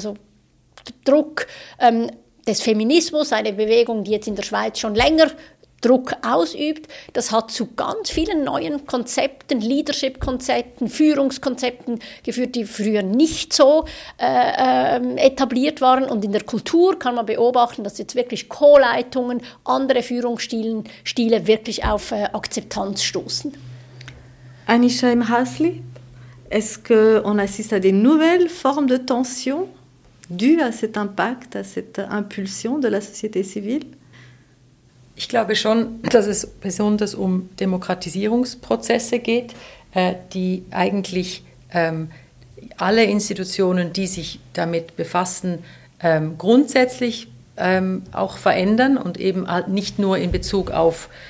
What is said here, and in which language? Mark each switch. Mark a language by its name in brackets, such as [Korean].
[German] Also Druck des Feminismus, eine Bewegung, die jetzt in der Schweiz schon länger Druck ausübt, das hat zu ganz vielen neuen Konzepten, Leadership-Konzepten, Führungskonzepten geführt, die früher nicht so etabliert waren. Und in der Kultur kann man beobachten, dass jetzt wirklich Co-Leitungen, andere Führungsstile wirklich auf Akzeptanz stoßen. [French] Anisha im Hasli, est-ce que on assiste à des nouvelles formes de tension due à cet impact, à cette impulsion de la société civile? [German] Ich glaube schon, dass es besonders um Demokratisierungsprozesse geht, die eigentlich alle Institutionen, die sich damit befassen, grundsätzlich auch verändern und eben nicht nur in Bezug auf